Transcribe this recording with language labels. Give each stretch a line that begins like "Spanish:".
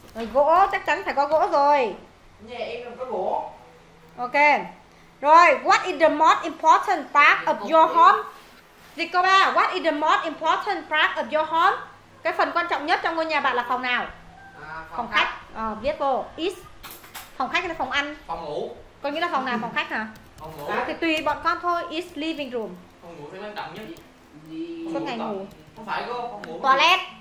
Vietnamese: Rồi gỗ, chắc chắn phải có gỗ rồi. Nhà em làm có gỗ. Ok.
English: Rồi, what is the most important part of your home?
Vietnamese: Dịch câu 3,
English: what is the most important part of your home?
Vietnamese: Cái phần quan trọng nhất trong ngôi nhà bạn là phòng nào? Phòng khách. Viết vô, is. Phòng khách hay là phòng ăn? Phòng ngủ. Có nghĩa là phòng nào, phòng khách hả? Phòng ngủ. Thì tùy bọn con thôi,
English: is living room.
Vietnamese: Phòng ngủ thì quan trọng nhất gì? Suốt ngày ngủ. Không phải cơ, phòng ngủ. Toilet.